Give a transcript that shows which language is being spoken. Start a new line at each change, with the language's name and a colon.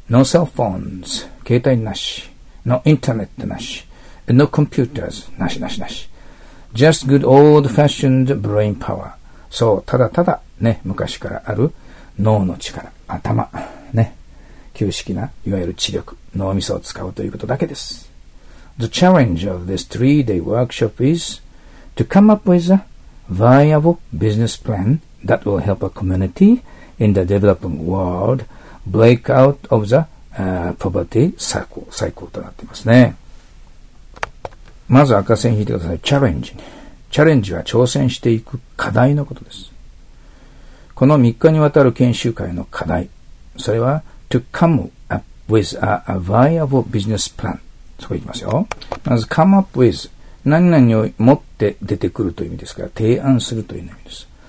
English: No cell phones,
Japanese: 携帯なし。
English: No internet
Japanese: なし。
English: No computers,
Japanese: なしなしなし。
English: Just good old fashioned brain power.
Japanese: そう、ただただね、昔からある脳の力、頭、ね、旧式な、いわゆる知力、脳みそを使うということだけです。
English: The challenge of this three-day workshop is to come up with a viable business plan that will help a community in the developing world break out of the poverty cycle
Japanese: となっていますね。まず赤線引いてください。チャレンジに。チャレンジは挑戦していく課題のことです。この3日にわたる研修会の課題。それは、
English: to come up with a viable business plan。
Japanese: そこ行きますよ。まず、come up with 何々を持って出てくるという意味ですから、提案するという意味です。